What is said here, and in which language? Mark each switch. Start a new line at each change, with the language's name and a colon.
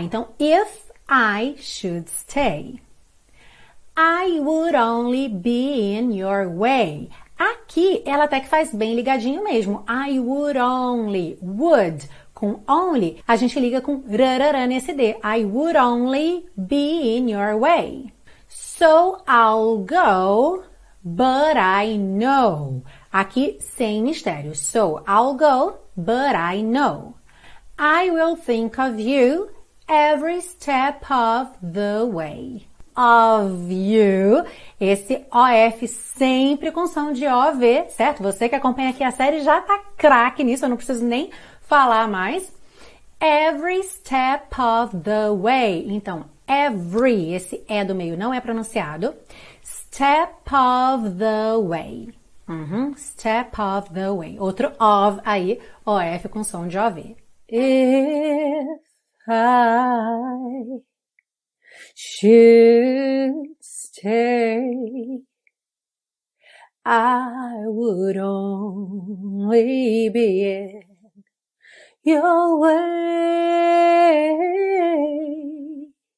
English: Então, if I should stay, I would only be in your way.
Portuguese: Aqui, ela até que faz bem ligadinho mesmo.
English: I would only, would,
Portuguese: com only, a gente liga com rarara nesse D.
English: I would only be in your way. So I'll go, but I know.
Portuguese: Aqui, sem mistério.
English: So I'll go, but I know. I will think of you every step of the way. Of you,
Portuguese: esse OF sempre com som de OV, certo? Você que acompanha aqui a série já tá craque nisso, eu não preciso nem falar mais.
English: Every step of the way,
Portuguese: então every, esse E do meio não é pronunciado.
English: Step of the way, step of the way.
Portuguese: Outro of aí, OF com som de OV.
English: If I should stay, I would only be in your way.